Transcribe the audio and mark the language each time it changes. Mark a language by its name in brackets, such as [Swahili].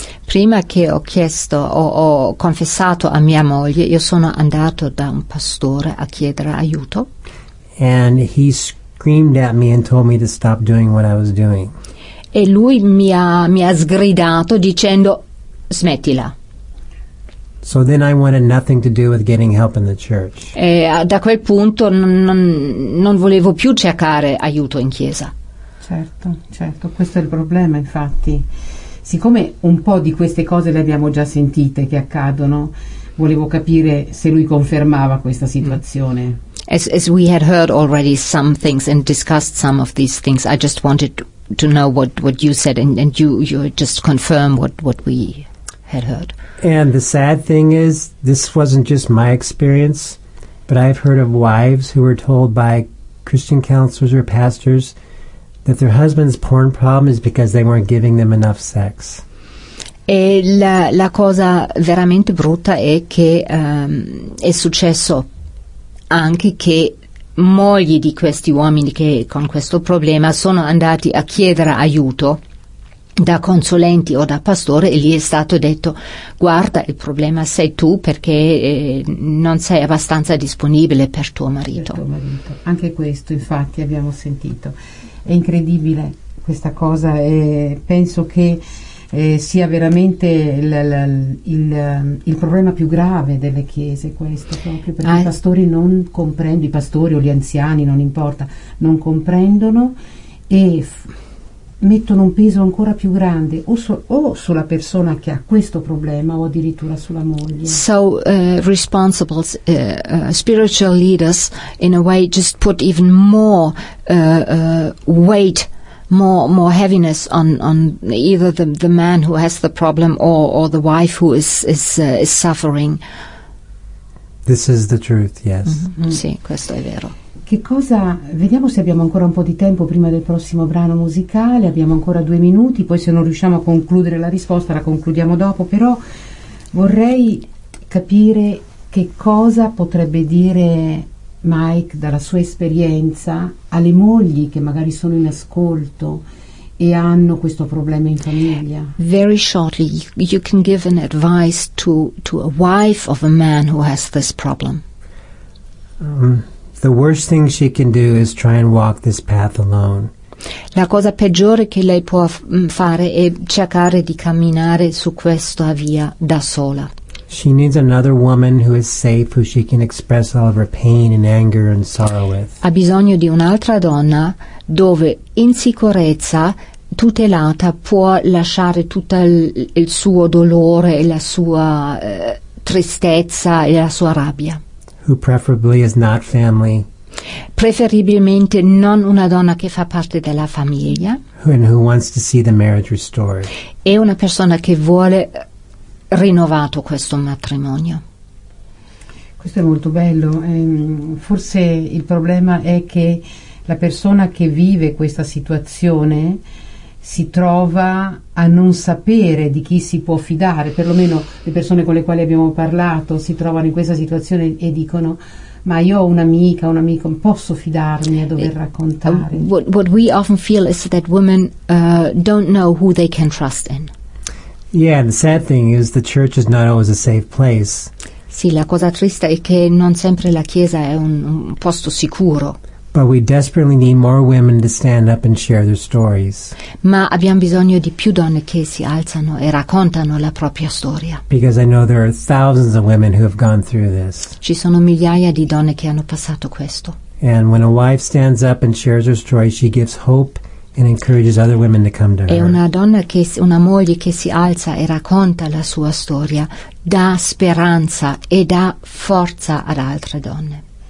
[Italian] Prima che ho chiesto o ho confessato a mia moglie, io sono andato da un pastore a chiedere aiuto. [English] And he screamed at me and told me to stop doing what I was doing. [Italian] E lui mi ha sgridato dicendo smettila. [English] So then I wanted nothing to do with getting help in the church. [Italian] E da quel punto non volevo più cercare aiuto in chiesa. Certo, certo, questo è il problema, infatti. Siccome un po' di queste cose le abbiamo già sentite che accadono, volevo capire se lui confermava questa situazione. [English] As we had heard already some things and discussed some of these things, I just wanted to know what you said and you just confirm what we had heard. And the sad thing is, this wasn't just my experience, but I've heard of wives who were told by Christian counselors or pastors that their husband's porn problem is because they weren't giving them enough sex. [Italian] E la cosa veramente brutta è che è successo anche che mogli di questi uomini che con questo problema sono andati a chiedere aiuto da consulenti o da pastore, e gli è stato detto: guarda, il problema sei tu, perché non sei abbastanza disponibile per tuo marito. Per tuo marito. Anche questo, infatti, abbiamo sentito. È incredibile questa cosa, e penso che sia veramente il problema più grave delle chiese, questo, proprio perché i pastori non comprendono, i pastori o gli anziani, non importa, non comprendono e mettono un peso ancora più grande o sulla persona che ha questo problema o addirittura sulla moglie. [English] So responsible spiritual leaders in a way just put even more weight, more heaviness on either the man who has the problem or the wife who is suffering. This is the truth, yes. [Italian] Mm-hmm. Sì, questo è vero. Che cosa, vediamo se abbiamo ancora un po' di tempo prima del prossimo brano musicale, abbiamo ancora 2 minuti, poi se non riusciamo a concludere la risposta la concludiamo dopo, però vorrei capire che cosa potrebbe dire Mike dalla sua esperienza alle mogli che magari sono in ascolto e hanno questo problema in famiglia. [English] Very shortly, you can give an advice to a wife of a man who has this problem. The worst thing she can do is try and walk this path alone. [Italian] La cosa peggiore che lei può fare è cercare di camminare su questa via da sola. [English] She needs another woman who is safe, who she can express all of her pain and anger and sorrow with. [Italian] Ha bisogno di un'altra donna dove in sicurezza, tutelata, può lasciare tutto il suo dolore e la sua tristezza e la sua rabbia. [English] Who preferably is not family. [Italian] Preferibilmente non una donna che fa parte della famiglia. [English] And who wants to see the marriage restored. [Italian] È una persona che vuole rinnovato questo matrimonio. Questo è molto bello. Forse il problema è che la persona che vive questa situazione si trova a non sapere di chi si può fidare, perlomeno le persone con le quali abbiamo parlato si trovano in questa situazione e dicono: ma io ho un'amica, un amico, posso fidarmi a dover raccontare? [English] What we often feel is that women don't know who they can trust in. Yeah, the sad thing is the church is not always a safe place. [Italian] Sì, la cosa triste è che non sempre la chiesa è un posto sicuro. [English] But we desperately need more women to stand up and share their stories. [Italian] Ma abbiamo bisogno di più donne che si alzano e raccontano la propria storia. [English] Because I know there are thousands of women who have gone through this. [Italian] Ci sono migliaia di donne che hanno passato questo. [English] And when a wife stands up and shares her story, she gives hope and encourages other women to come to her. [Italian] È una donna che, una moglie che si alza e racconta la sua storia, dà speranza e dà forza ad altre donne.